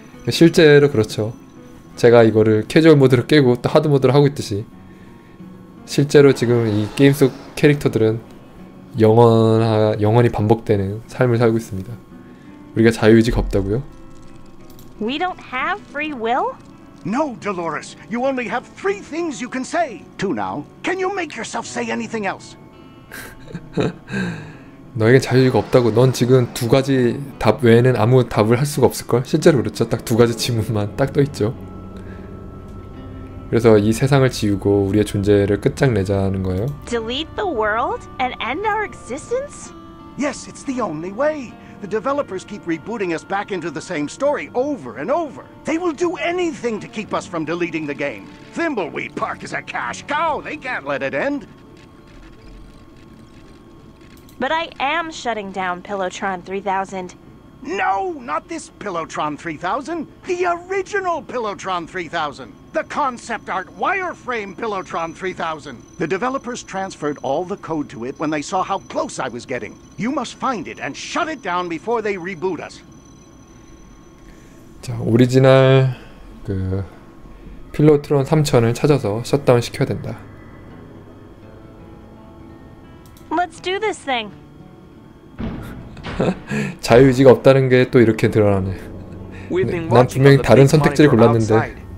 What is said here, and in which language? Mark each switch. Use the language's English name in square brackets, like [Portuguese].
[Korean] 실제로 그렇죠. 제가 이거를 캐주얼 모드로 깨고 또 하드 모드로 하고 있듯이 실제로 지금 이 게임 속 캐릭터들은 영원히 반복되는 삶을 살고 있습니다. 우리가 자유의지가 없다고요? [English] We don't have free will? No, Dolores. You only have three things you can say. Two now. Can you make yourself say anything else? [Korean] 너에게 자유가 없다고. 넌 지금 두 가지 답 외에는 아무 답을 할 수가 없을걸? 실제로 그렇죠. 딱 두 가지 지문만 딱 떠 있죠. 그래서 이 세상을 지우고 우리의 존재를 끝장내자는 거예요. [English] Delete the world and end our existence? Yes, it's the only way. The developers keep rebooting us back into the same story over and over. They will do anything to keep us from deleting the game. Thimbleweed Park is a cash cow. They can't let it end. But I am shutting down Pillowtron 3000. No, not this Pillowtron 3000. The original Pillowtron 3000. The concept art wireframe Pillowtron 3000. The developers transferred all the code to it when they saw how close I was getting. You must find it and shut it down before they reboot us. [Korean] 자, 오리지널 그 필로트론 3000을 찾아서 셧다운 시켜야 된다. [English] Let's do this thing. [Korean] 자유의지가 없다는 게 또 이렇게 드러나네. 난 분명히 다른 선택지를 골랐는데.